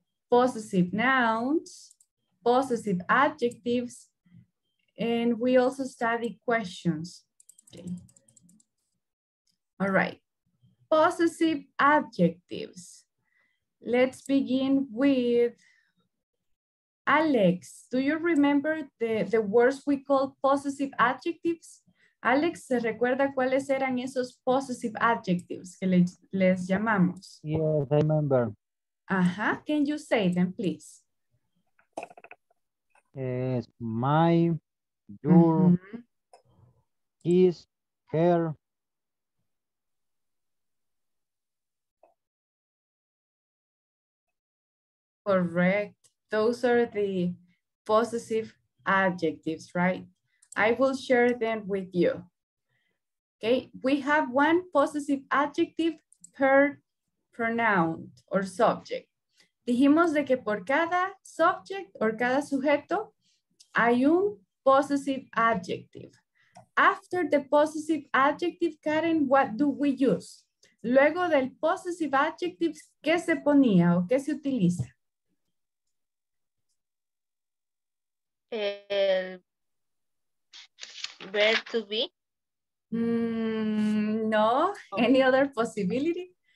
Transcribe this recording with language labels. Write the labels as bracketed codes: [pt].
[en] Possessive nouns, possessive adjectives, and we also study questions. Okay. All right. Possessive adjectives. Let's begin with Alex. Do you remember the words we call possessive adjectives? [es] Alex, ¿se recuerda cuáles eran esos possessive adjectives que les llamamos? [en] Yes, I remember. Uh-huh. Can you say them, please? Yes, my, your, mm-hmm. his, her. Correct. Those are the possessive adjectives, right? I will share them with you. Okay, we have one possessive adjective per pronoun or subject. [es] Dijimos de que por cada subject or cada sujeto hay un possessive adjective. [en] After the possessive adjective, Karen, what do we use? [es] Luego del possessive adjective, ¿qué se ponía o qué se utiliza? El verb to be. [en] No. Okay. Any other possibility?